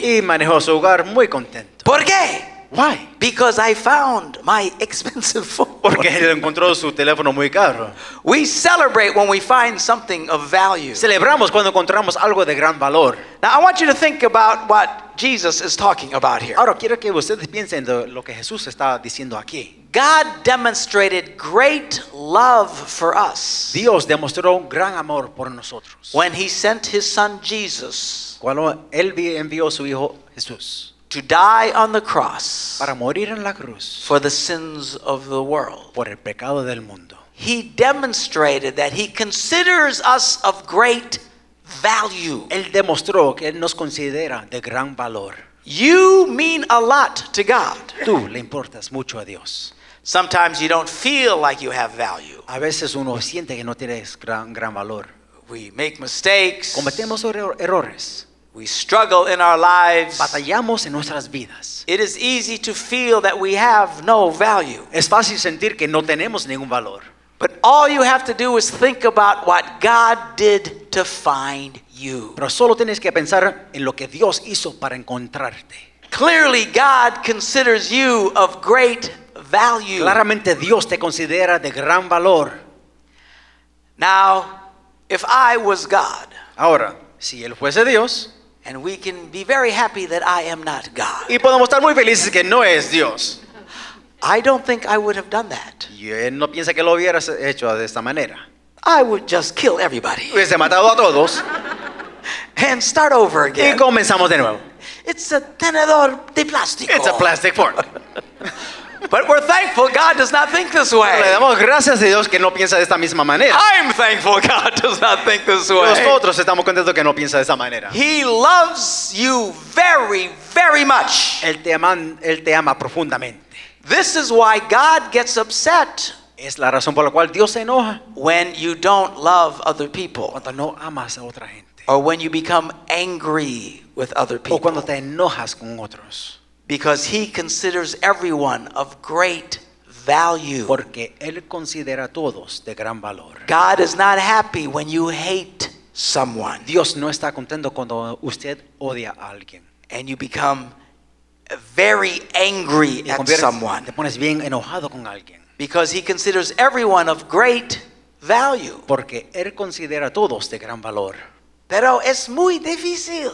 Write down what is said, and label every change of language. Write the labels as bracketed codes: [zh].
[es] Y manejó su hogar muy contento. ¿Por qué? [en] Why? Because I found my expensive phone. [es] Porque él encontró su teléfono muy caro. [en] We celebrate when we find something of value. [es] Celebramos cuando encontramos algo de gran valor. [en] Now I want you to think about what Jesus is talking about here. [es] Ahora quiero que ustedes piensen de lo que Jesús está diciendo aquí. [en] God demonstrated great love for us. [es] Dios demostró un gran amor por nosotros. [en] When he sent his son Jesus. [es] Cuando él envió su hijo Jesús. [en] To die on the cross, [es] para morir en la cruz, [en] for the sins of the world, [es] por el pecado del mundo. [en] He demonstrated that he considers us of great value. [es] Él demostró que él nos considera de gran valor. [en] You mean a lot to God. [es] Tú le importas mucho a Dios. [en] Sometimes you don't feel like you have value. [es] A veces uno siente que no tienes gran valor. [en] We make mistakes. [es] Cometemos errores. [en] We struggle in our lives. [es] Batallamos en nuestras vidas. [en] It is easy to feel that we have no value. [es] Es fácil sentir que no tenemos ningún valor. [en] But all you have to do is think about what God did to find you. [es] Pero solo tienes que pensar en lo que Dios hizo para encontrarte. [en] Clearly, God considers you of great value. [es] Claramente, Dios te considera de gran valor. [en] Now, if I was God. [es] Ahora, si él fuese Dios. [en] And we can be very happy that I am not God. [es] Y podemos estar muy felices que no es Dios. [en] I don't think I would have done that. [es] Yo no pienso que lo hubiera hecho de esta manera. [en] I would just kill everybody. [es] Hubiese matado a todos. [en] And start over again. [es] Y comenzamos de nuevo. [en] It's a [es] tenedor de plástico. [en] It's a plastic fork. But we're thankful God does not think this way. [es] Le damos gracias a Dios que no piensa de esta misma manera. [en] I'm thankful God does not think this way. [es] Nosotros estamos contentos que no piensa de esa manera. [en] He loves you very, very much. [es] Él te ama profundamente. [en] This is why God gets upset. [es] Es la razón por la cual Dios se enoja. [en] When you don't love other people. [es] Cuando no amas a otra gente. [en] Or when you become angry with other people. [es] O cuando te enojas con otros. [en] Because he considers everyone of great value. [es] Porque él considera a todos de gran valor. [en] God is not happy when you hate someone. [es] Dios no está contento cuando usted odia a alguien. [en] And you become very angry at someone. [es] Te pones bien enojado con alguien. [en] Because he considers everyone of great value. [es] Porque él considera a todos de gran valor. Pero es muy difícil.